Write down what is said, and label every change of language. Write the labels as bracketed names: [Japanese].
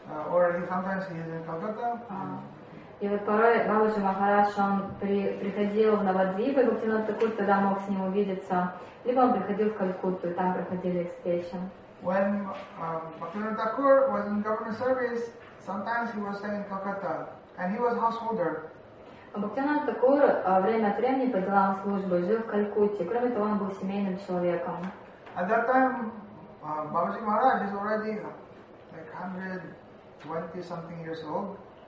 [English] Or he sometimes he is in Calcutta. [Russian] И вот порой Бабаджи Махарадж он приходил в Навадвип, и Бхактивинода Такур тогда мог с ним увидеться. Либо он приходил в Калькутту, и там проходили встречи. [English] When Бхактивинода Такур was in government service, sometimes he was staying in Calcutta, and he was householder. [Russian] Бхактивинода Такур время от времени по делам службы жил в Калькутте. Кроме того, он был семейным человеком. [English] At that time, Бабаджи Махарадж is already like 120 something years old.